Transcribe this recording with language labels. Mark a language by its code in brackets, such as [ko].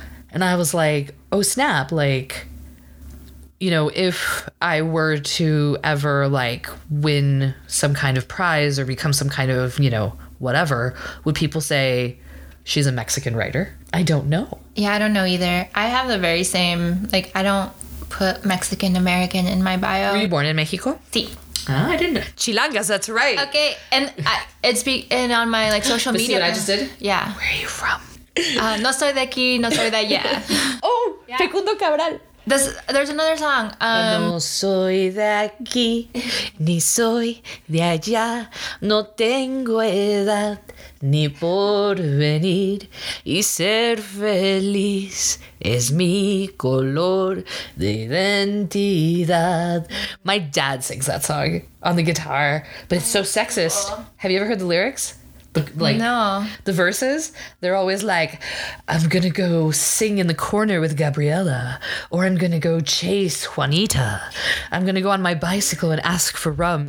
[en] And I was like, oh, snap, like, you know, if I were to ever, like, win some kind of prize or become some kind of, you know, whatever, would people say she's a Mexican writer? I don't know. Yeah, I don't know either. I have the very same, like, I don't put Mexican American in my bio. Were you born in Mexico? [es] Sí. [en] Oh, I didn't know. Chilangas, that's right. Okay, and it's on my, like, social media. See what I just did? Yeah. Where are you from? [es] No soy de aquí, no soy de allá. [en] Oh, yeah. Facundo Cabral. There's another song. [es] No soy de aquí, ni soy de allá. No tengo edad, ni por venir. Y ser feliz es mi color de identidad. [en] My dad sings that song on the guitar, but it's so sexist. Cool. Have you ever heard the lyrics? like no. The verses, they're always like, I'm gonna go sing in the corner with Gabriela, or I'm gonna go chase Juanita, I'm gonna go on my bicycle and ask for rum.